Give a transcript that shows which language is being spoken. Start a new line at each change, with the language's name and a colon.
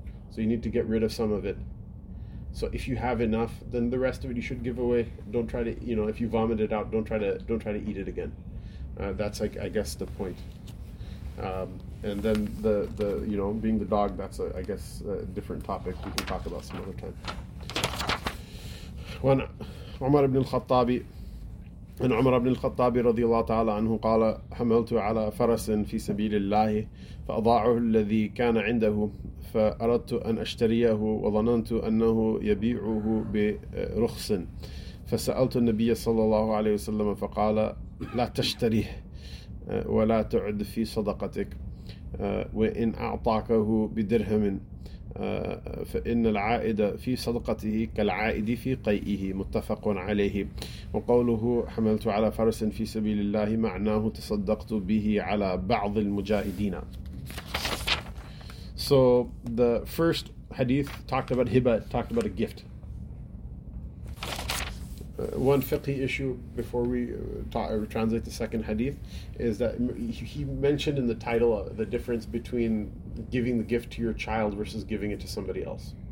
English: So you need to get rid of some of it. So if you have enough, then the rest of it you should give away. Don't try to, you know, if you vomit it out, don't try to eat it again. That's like, I guess, the point. And then the you know, being the dog, that's a, I guess, a different topic we can talk about some other time.
Arabic: When Umar ibn al-Khattabi, and Umar ibn al-Khattabi رضي الله تعالى عنه قال حملت على فرس في سبيل الله فأضاعه الذي كان عنده فأردت أن أشتريه وظننت أنه يبيعه برخص فسألت النبي صلى الله عليه وسلم فقال لا تشتريه ولا تعد في صدقتك وإن أعطاكه بدرهم فإن العائد في صدقته كالعائد في قيئه متفق عليه وقوله حملت على فرس في سبيل الله معناه تصدقت به على بعض المجاهدين.
English: So the first hadith talked about hiba, talked about a gift. One fiqhi issue before we translate the second hadith is that he mentioned in the title the difference between giving the gift to your child versus giving it to somebody else.